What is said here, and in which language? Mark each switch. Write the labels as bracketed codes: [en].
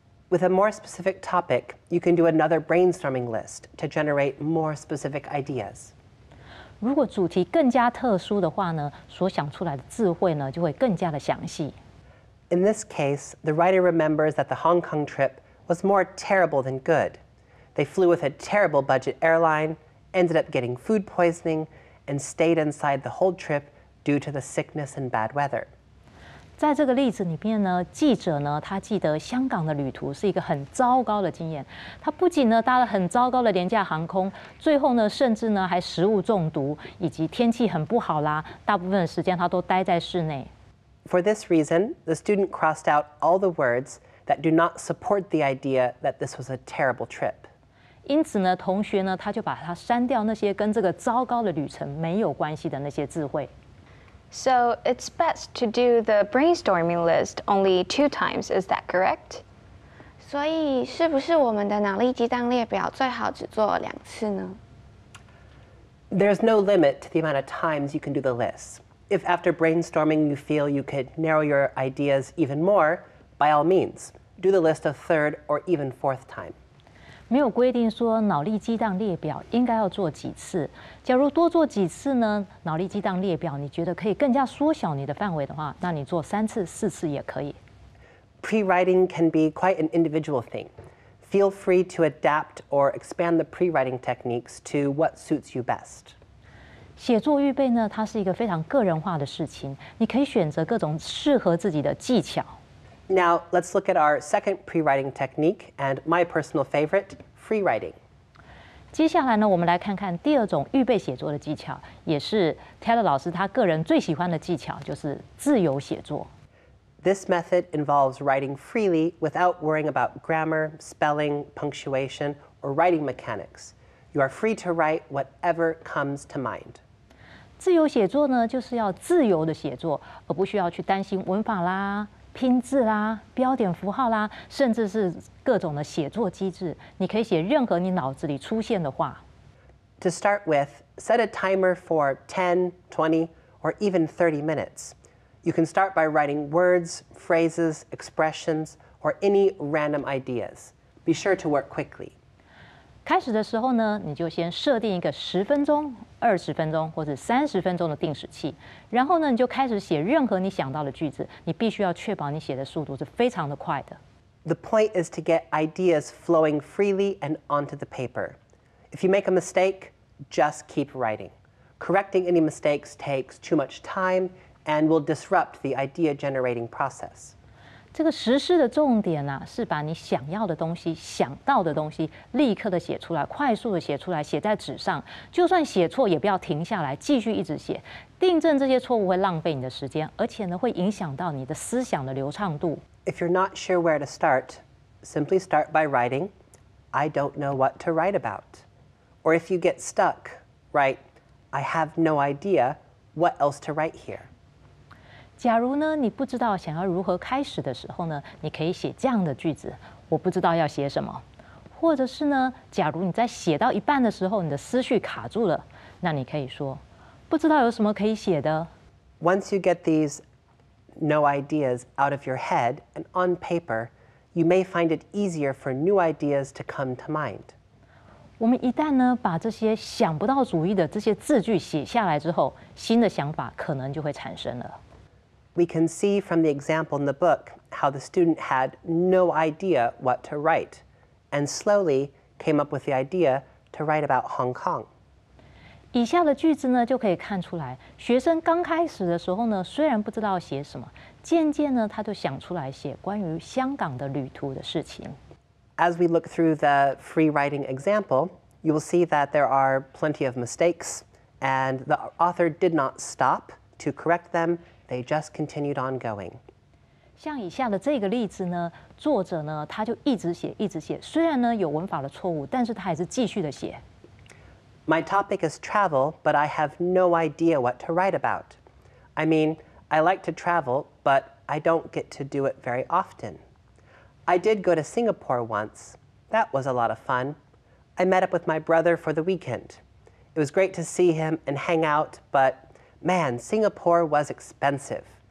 [en] With a more specific topic, you can do another brainstorming list to generate more specific ideas. [zh] 如果主题更加特殊的话呢，所想出来的智慧呢就会更加的详细。 [en] In this case, the writer remembers that the Hong Kong trip was more terrible than good. They flew with a terrible budget airline, ended up getting food poisoning, and stayed inside the whole trip due to the sickness and bad weather. [zh] 在这个例子里面呢，记者呢，他记得香港的旅途是一个很糟糕的经验。他不仅呢搭了很糟糕的廉价航空，最后呢甚至呢还食物中毒，以及天气很不好啦，大部分的时间他都待在室内。 [en] For this reason, the student crossed out all the words that do not support the idea that this was a terrible trip. [zh] 因此呢，同学呢，他就把它删掉那些跟这个糟糕的旅程没有关系的那些智慧。 [en] So it's best to do the brainstorming list only 2 times, is that correct? [zh] 所以是不是我们的脑力激荡列表最好只做2次呢？ [en] There's no limit to the amount of times you can do the list. If after brainstorming you feel you could narrow your ideas even more, by all means, do the list a third or even 4th time. [zh] 没有规定说脑力激荡列表应该要做几次。假如多做几次呢，脑力激荡列表你觉得可以更加缩小你的范围的话，那你做3次、4次也可以。 [en] Pre-writing can be quite an individual thing. Feel free to adapt or expand the pre-writing techniques to what suits you best. [zh] 写作预备呢，它是一个非常个人化的事情，你可以选择各种适合自己的技巧。 [en] Now, let's look at our second pre-writing technique and my personal favorite, free writing. [zh] 接下来呢，我们来看看第二种预备写作的技巧，也是 Taylor 老师他个人最喜欢的技巧，就是自由写作。 [en] This method involves writing freely without worrying about grammar, spelling, punctuation, or writing mechanics. You are free to write whatever comes to mind. [zh] 自由写作呢，就是要自由的写作，而不需要去担心文法啦。拼字啦，标点符号啦，甚至是各种的写作机制，你可以写任何你脑子里出现的话。 [en] To start with, set a timer for 10, 20, or even 30 minutes. You can start by writing words, phrases, expressions, or any random ideas. Be sure to work quickly. [zh] 开始的时候呢，你就先设定一个10分钟、20分钟或者30分钟的定时器，然后呢，你就开始写任何你想到的句子。你必须要确保你写的速度是非常的快的。 [en] The point is to get ideas flowing freely and onto the paper. If you make a mistake, just keep writing. Correcting any mistakes takes too much time and will disrupt the idea generating process. [zh] 这个实施的重点啊，是把你想要的东西、想到的东西立刻的写出来，快速的写出来，写在纸上。就算写错，也不要停下来，继续一直写。订正这些错误会浪费你的时间，而且呢，会影响到你的思想的流畅度。 [en] If you're not sure where to start, simply start by writing, I don't know what to write about. Or if you get stuck, write, I have no idea what else to write here. [zh] 假如呢，你不知道想要如何开始的时候呢，你可以写这样的句子：我不知道要写什么。或者是呢，假如你在写到一半的时候，你的思绪卡住了，那你可以说： 不知道有什么可以写的。 [en] Once you get these no ideas out of your head and on paper, you may find it easier for new ideas to come to mind. [zh] 我们一旦呢把这些想不到主意的这些字句写下来之后，新的想法可能就会产生了。 [en] We can see from the example in the book how the student had no idea what to write, and slowly came up with the idea to write about Hong Kong. [zh] 以下的句子呢就可以看出来，学生刚开始的时候呢，虽然不知道写什么，渐渐呢他就想出来写关于香港的旅途的事情。 [en] As we look through the free writing example, you will see that there are plenty of mistakes, and the author did not stop to correct them, they just continued on going. [zh] 像以下的这个例子呢，作者呢，他就一直写，一直写，虽然呢有文法的错误，但是他还是继续的写。 [en] My topic is travel, but I have no idea what to write about. I mean, I like to travel, but I don't get to do it very often. I did go to Singapore once. That was a lot of fun. I met up with my brother for the weekend. It was great to see him and hang out, but man, Singapore was expensive.